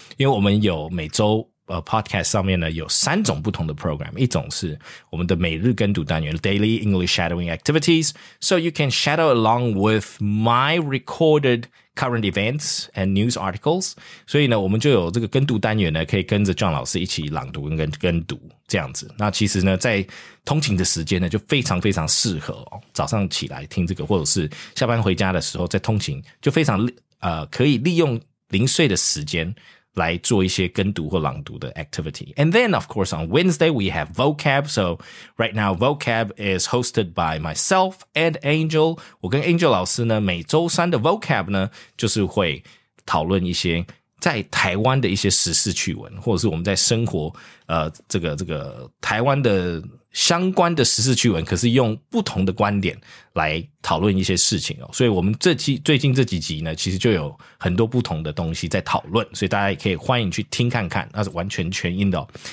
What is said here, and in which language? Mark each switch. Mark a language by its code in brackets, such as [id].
[zh] 因为我们有每周Podcast 上面呢有三种不同的 program， 一种是我们的每日跟读单元 Daily English Shadowing Activities， [en] so you can shadow along with my recorded current events and news articles， [zh] 所以呢我们就有这个跟读单元呢可以跟着 John 老师一起朗读跟读这样子。那其实呢在通勤的时间呢就非常非常适合哦，早上起来听这个，或者是下班回家的时候在通勤，就非常可以利用零碎的时间来做一些跟读或朗读的 activity. [en] And then, of course, on Wednesday, we have vocab. So right now, vocab is hosted by myself and Angel. [zh] 我跟 Angel 老师呢，每周三的 vocab 呢，就是会讨论一些在台湾的一些时事趣闻，或者是我们在生活这个台湾的相关的时事趣闻，可是用不同的观点来讨论一些事情哦。所以我们最近这几集呢其实就有很多不同的东西在讨论，所以大家也可以欢迎去听看看，那是完全全英的哦。